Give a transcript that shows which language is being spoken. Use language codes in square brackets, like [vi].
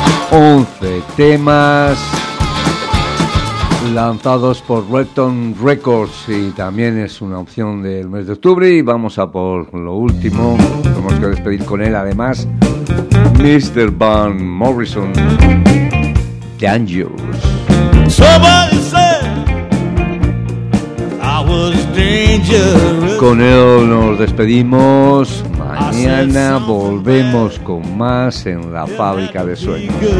[es] 11 temas lanzados por Redton Records y también es una opción del mes de octubre. Y vamos a por lo último, tenemos que despedir con él además, Mr. Van Morrison, Dangerous. [en] Somebody said I was dangerous. [es] Con él nos despedimos. Mañana volvemos con más en La Fábrica de Sueños.